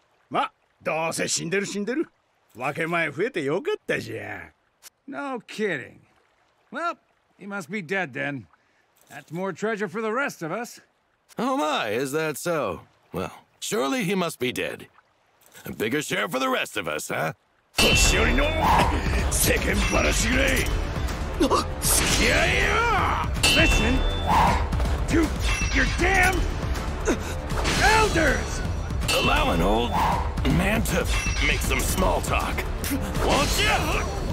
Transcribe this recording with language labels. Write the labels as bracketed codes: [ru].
[ja] ま、どうせ死んでる死んでる。分け前増えてよかったじゃん。 [en] No kidding. Well, he must be dead then. That's more treasure for the rest of us. Oh my, is that so? Well, surely he must be dead. A bigger share for the rest of us, huh? [ja] 年寄りの世間話ぐらい付き合えよ。 [en] Listen to your damn elders! Allow an old man to make some small talk, won't ya?